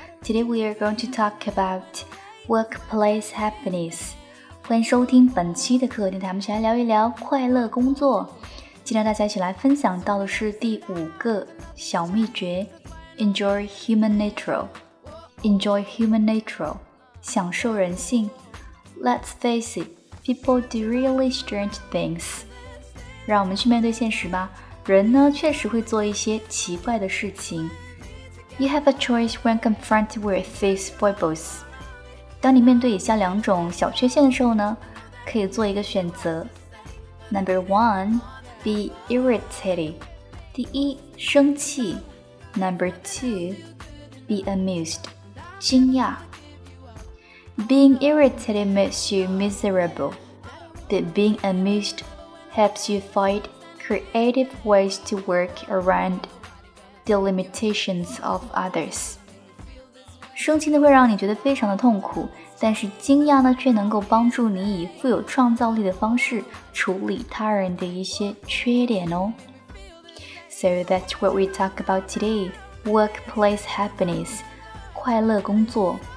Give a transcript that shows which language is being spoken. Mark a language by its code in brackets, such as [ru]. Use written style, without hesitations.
[en] Today we are going to talk about workplace happiness. [zh] 欢迎收听本期的可可电台，我们一起来聊一聊快乐工作。今天大家一起来分享到的是第五个小秘诀 , [en] Enjoy human nature. Enjoy human nature. [zh] 享受人性。 [en] Let's face it, people do really strange things. [zh] 让我们去面对现实吧。人呢确实会做一些奇怪的事情。 [en] You have a choice when confronted with these foibles. [zh] 当你面对以下两种小缺陷的时候呢可以做一个选择。 [en] Number one, be irritated. [zh] 第一生气。 [en] Number two, be amused. [zh] 惊讶。 [en] Being irritated makes you miserable, but being amused helps you find creative ways to work around the limitations of others. [zh] 生气呢会让你觉得非常的痛苦，但是惊讶呢却能够帮助你以富有创造力的方式处理他人的一些缺点哦。 [en] So that's what we talk about today. Workplace happiness, [zh] 快乐工作。